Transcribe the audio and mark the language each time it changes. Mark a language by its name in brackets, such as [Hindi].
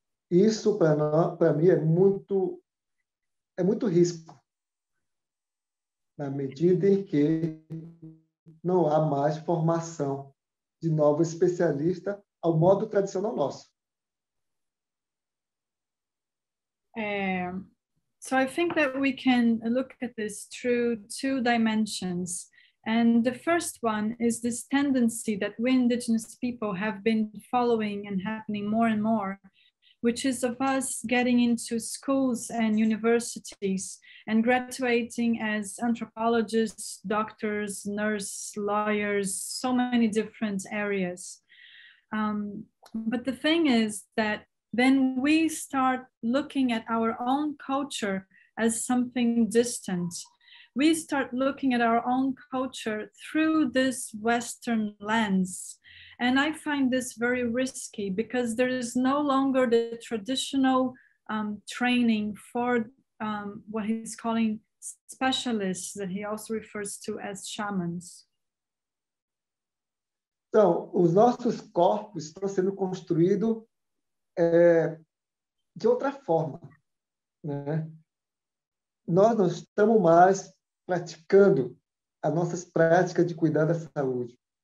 [Portuguese] Isso, para mim, é muito risco, na medida em que não há mais formação de novo especialista ao modo tradicional nosso. [English] So I think that we can look at this through two dimensions. And the first one is this tendency that we Indigenous people have been following and happening more and more, which is of us getting into schools and universities and graduating as anthropologists, doctors, nurses, lawyers, so many different areas. But the thing is that then we start looking at our own culture as something distant. We start looking at our own culture through this Western lens. And I find this very risky because there is no longer the traditional training for what he's calling specialists that he also refers to as shamans. [Portuguese] So, os nossos corpos estão sendo construídos de outra forma, né? Nós não estamos mais praticando as nossas práticas de cuidar da saúde.